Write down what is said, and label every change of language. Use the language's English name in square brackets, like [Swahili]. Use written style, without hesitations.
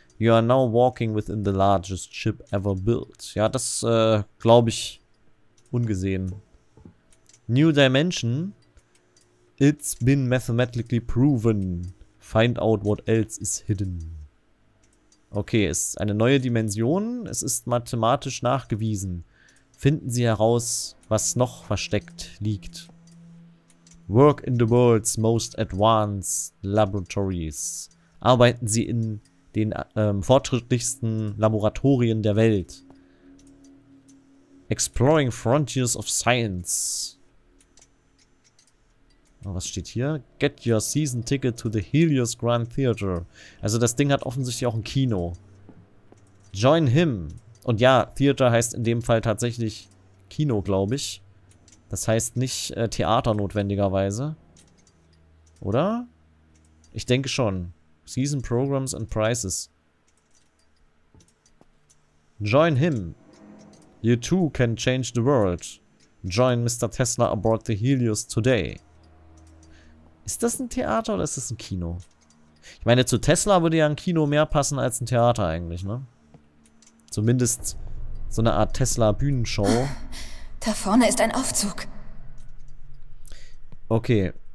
[English] You are now walking within the largest ship ever built. [German] Ja, das glaube ich ungesehen. [English] New Dimension. It's been mathematically proven. Find out what else is hidden. [German] Okay, es ist eine neue Dimension. Es ist mathematisch nachgewiesen. Finden Sie heraus, was noch versteckt liegt. [English] Work in the world's most advanced laboratories. [German] Arbeiten Sie in den fortschrittlichsten Laboratorien der Welt. [English] Exploring frontiers of science. [German] Oh, was steht hier? [English] Get your season ticket to the Helios Grand Theater. [German] Also das Ding hat offensichtlich auch ein Kino. [English] Join him. [German] Und ja, Theater heißt in dem Fall tatsächlich Kino, glaube ich. Das heißt nicht Theater notwendigerweise. Oder? Ich denke schon. [English] Season Programs and Prices. Join him. You too can change the world. Join Mr. Tesla aboard the Helios today. [German] Ist das ein Theater oder ist das ein Kino? Ich meine, zu Tesla würde ja ein Kino mehr passen als ein Theater eigentlich, ne? Zumindest so eine Art Tesla-Bühnenshow. Da vorne ist ein Aufzug. Okay.